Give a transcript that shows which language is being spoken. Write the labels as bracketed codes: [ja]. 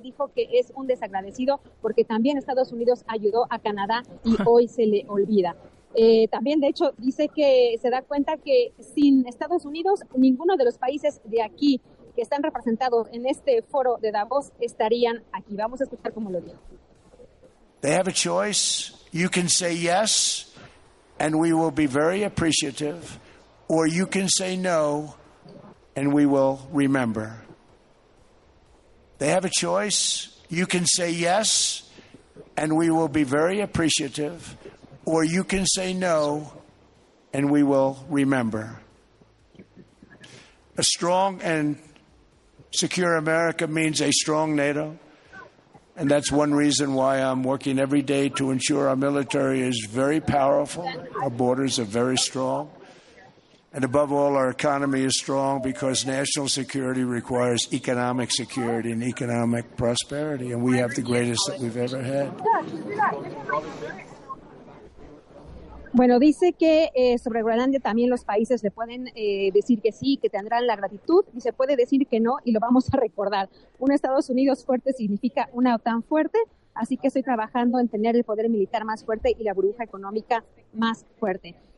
[es] Dijo que es un desagradecido porque también Estados Unidos ayudó a Canadá y hoy se le olvida. También, de hecho, dice que se da cuenta que sin Estados Unidos, ninguno de los países de aquí que están representados en este foro de Davos estarían aquí. Vamos a escuchar cómo lo dijo. [en] They have a choice. You can say yes, and we will be very appreciative, or you can say no, and we will remember. They have a choice. You can say yes, and we will be very appreciative, or you can say no, and we will remember. A strong and secure America means a strong NATO. And that's one reason why I'm working every day to ensure our military is very powerful, our borders are very strong, and above all, our economy is strong because national security requires economic security and economic prosperity, and we have the greatest that we've ever had. [es] Bueno, dice que sobre Groenlandia también los países le pueden decir que sí, que tendrán la gratitud, y se puede decir que no, y lo vamos a recordar. Un Estados Unidos fuerte significa una OTAN fuerte, así que estoy trabajando en tener el poder militar más fuerte y la burbuja económica más fuerte.